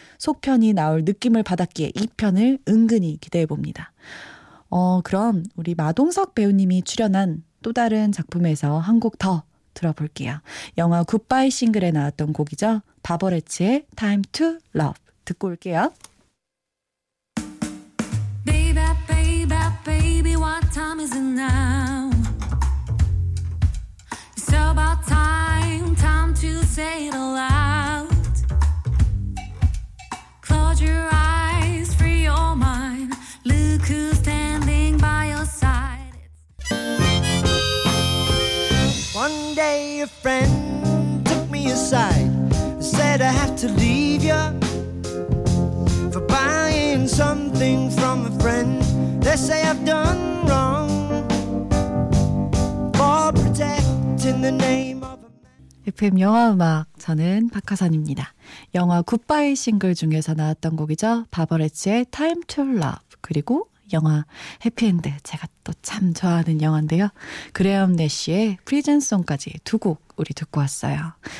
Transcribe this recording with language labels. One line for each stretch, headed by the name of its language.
Korean: 속편이 나올 느낌을 받았기에 이 편을 은근히 기대해봅니다. 그럼 우리 마동석 배우님이 출연한 또 다른 작품에서 한 곡 더 들어볼게요. 영화 굿바이 싱글에 나왔던 곡이죠. 바버레츠의 Time to Love 듣고 올게요.
English: Baby, baby, baby, what time is it now? It's about time, time to say it aloud. Close your eyes, free your mind. Look who's standing by your side. It's... One day a friend took me aside, said I have to leave you for buying something from a friend. They say I've done wrong for protecting the name of a man.
Korean: FM 영화 음악, 저는 박하선입니다. 영화 굿바이 싱글 중에서 나왔던 곡이죠. 바버레츠의 Time to Love, 그리고 영화 해피엔드, 제가 또 참 좋아하는 영화인데요. 그레엄 내쉬의 프리즌송까지 두 곡 우리 듣고 왔어요.